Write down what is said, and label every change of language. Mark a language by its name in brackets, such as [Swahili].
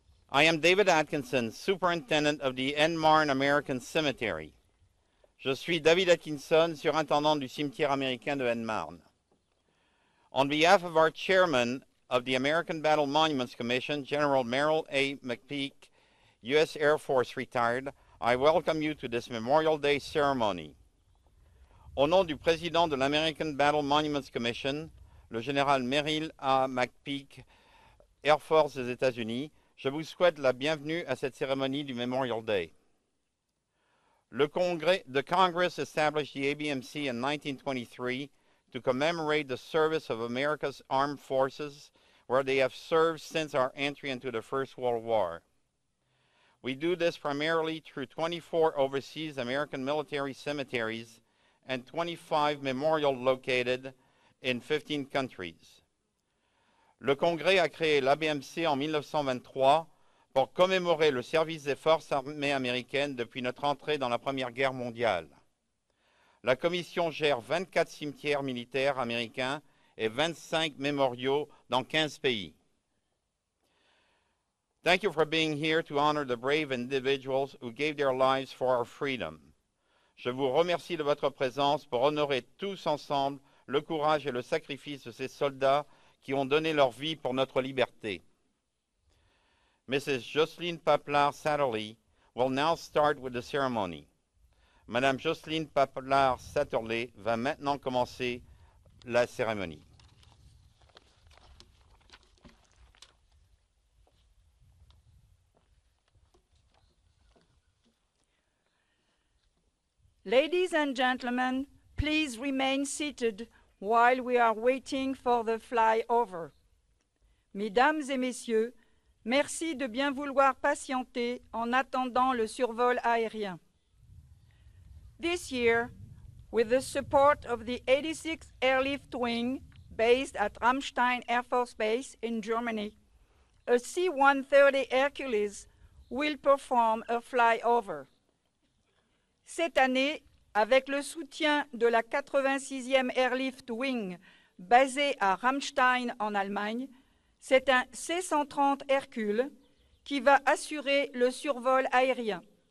[English] I am David Atkinson, superintendent of the Enmarne American Cemetery. [French] Je suis David Atkinson, surintendant du cimetière américain de Enmarne. [English] On behalf of our chairman of the American Battle Monuments Commission, General Merrill A. McPeak, U.S. Air Force retired, I welcome you to this Memorial Day ceremony. [French] Au nom du président de l'American Battle Monuments Commission, le général Merrill A. McPeak, Air Force des États-Unis, je vous souhaite la bienvenue à cette cérémonie du Memorial Day. [English] The Congress established the ABMC in 1923 to commemorate the service of America's armed forces, where they have served since our entry into the First World War. We do this primarily through 24 overseas American military cemeteries and 25 memorials located in 15 countries. [French] Le Congrès a créé l'ABMC en 1923 pour commémorer le service des forces armées américaines depuis notre entrée dans la Première Guerre mondiale. La Commission gère 24 cimetières militaires américains et 25 mémoriaux dans 15 pays. [English] Thank you for being here to honor the brave individuals who gave their lives for our freedom. [French] Je vous remercie de votre présence pour honorer tous ensemble le courage et le sacrifice de ces soldats qui ont donné leur vie pour notre liberté. [English] Mrs. Jocelyn Paplar-Satterly will now start with the ceremony. [French] Madame Jocelyn Paplar-Satterly va maintenant commencer la cérémonie. [English] Ladies and gentlemen, please remain seated while we are waiting for the flyover. [French] Mesdames et messieurs, merci de bien vouloir patienter en attendant le survol aérien. [English] This year, with the support of the 86th Airlift Wing, based at Ramstein Air Force Base in Germany, a C-130 Hercules will perform a flyover. [French] Cette année, avec le soutien de la 86e Airlift Wing basée à Ramstein en Allemagne, c'est un C-130 Hercule qui va assurer le survol aérien.